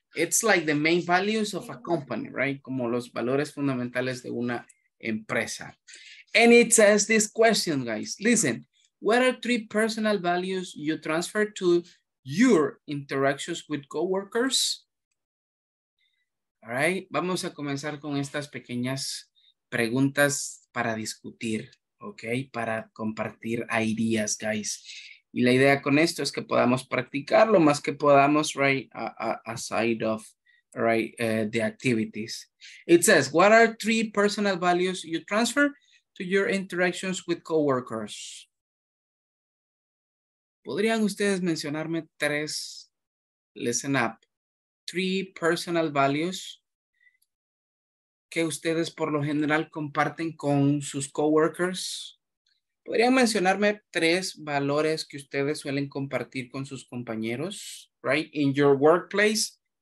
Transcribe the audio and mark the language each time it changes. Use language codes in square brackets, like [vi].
[en] It's like the main values of a company, right? [es] Como los valores fundamentales de una empresa. [en] And it says this question, guys. Listen, what are three personal values you transfer to your interactions with coworkers? [es] All right, vamos a comenzar con estas pequeñas preguntas para discutir, ok, para compartir ideas, guys. Y la idea con esto es que podamos practicar lo más que podamos, right, [en] aside of, right, the activities. It says, what are three personal values you transfer to your interactions with coworkers? [es] ¿Podrían ustedes mencionarme tres, [en] listen up, three personal values [es] que ustedes por lo general comparten con sus coworkers? ¿Podrían mencionarme tres valores que ustedes suelen compartir con sus compañeros, right, [en] in your workplace?